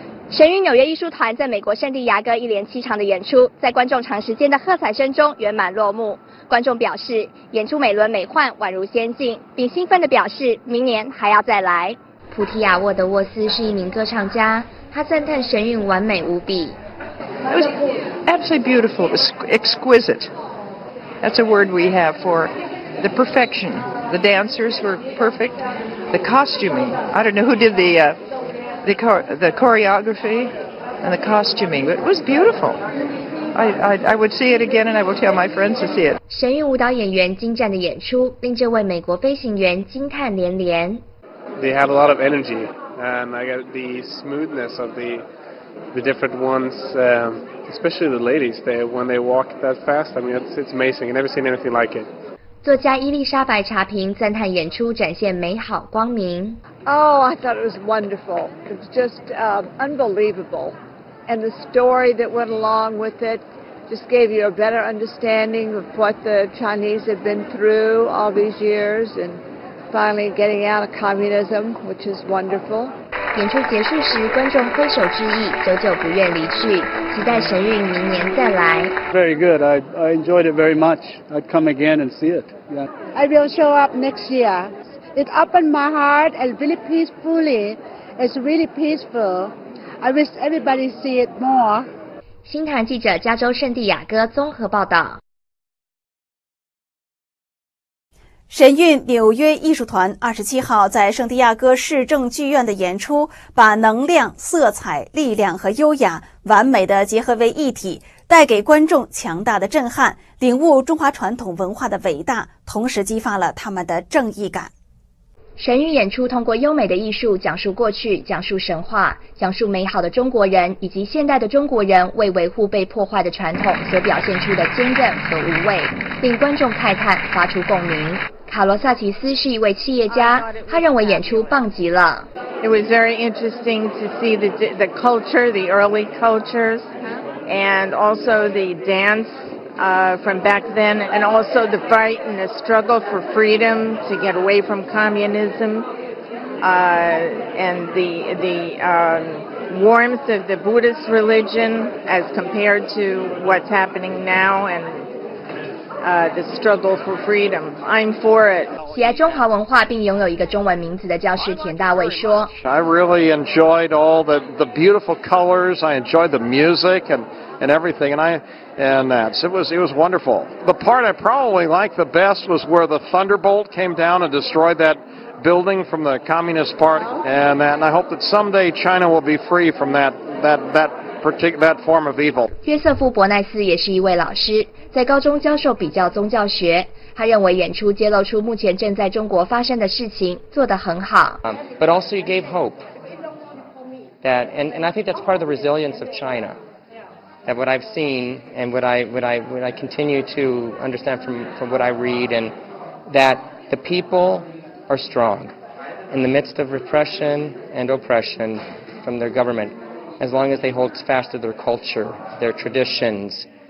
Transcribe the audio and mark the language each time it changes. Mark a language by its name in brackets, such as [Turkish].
[Chinese] 神韵纽约艺术团在美国圣地亚哥一连7场的演出，在观众长时间的喝彩声中圆满落幕。观众表示，演出美轮美奂，宛如仙境，并兴奋地表示明年还要再来。普提亚沃德沃斯是一名歌唱家，他赞叹神韵完美无比。 [English] It was absolutely beautiful. It was exquisite. That's a word we have for the perfection. The dancers were perfect. The costuming. I don't know who did the choreography and the costuming, but it was beautiful. I would see it again, and I will tell my friends to see it. [Chinese] 神韵舞蹈演员精湛的演出令这位美国飞行员惊叹连连。 [English] They had a lot of energy, and I got the smoothness of the the different ones, especially the ladies, they, when they walk that fast, I mean, it's amazing. I've never seen anything like it. [Chinese] 作家伊丽莎白·查平赞叹演出展现美好光明。 [English] Oh, I thought it was wonderful. It's just unbelievable. And the story that went along with it just gave you a better understanding of what the Chinese had been through all these years and finally getting out of communism, which is wonderful. [Chinese] 演出结束时，观众挥手致意，久久不愿离去，期待神韵明年再来。 [English] Very good. I enjoyed it very much. I'd come again and see it. Yeah. I will show up next year. It opened my heart and really peacefully. It's really peaceful. I wish everybody see it more. [Chinese] 新唐记者加州圣地亚哥综合报道。神韵纽约艺术团27号在圣地亚哥市政剧院的演出，把能量、色彩、力量和优雅完美的结合为一体，带给观众强大的震撼，领悟中华传统文化的伟大，同时激发了他们的正义感。神韵演出通过优美的艺术讲述过去，讲述神话，讲述美好的中国人以及现代的中国人为维护被破坏的传统所表现出的坚韧和无畏，令观众慨叹发出共鸣。卡罗萨奇斯是一位企业家，他认为演出棒极了。 [English] It was very interesting to see the culture, the early cultures, and also the dance from back then, and also the fight and the struggle for freedom to get away from communism, and the warmth of the Buddhist religion as compared to what's happening now, andthe struggle for freedom. I'm for it. [Chinese] 喜爱中华文化并拥有一个中文名字的教师田大卫说 [English] I really enjoyed all the beautiful colors. I enjoyed the music and everything. And it was wonderful. The part I probably liked the best was where the thunderbolt came down and destroyed that building from the Communist Party. And I hope that someday China will be free from that form of evil. [Chinese] 约瑟夫·伯奈斯也是一位老师，在高中教授比较宗教学，他认为演出揭露出目前正在中国发生的事情，做得很好。 [English] But also you gave hope. That, and I think that's part of the resilience of China. That what I've seen and what I continue to understand from what I read, and that the people are strong in the midst of repression and oppression from their government, as long as they hold fast to their culture, their traditions.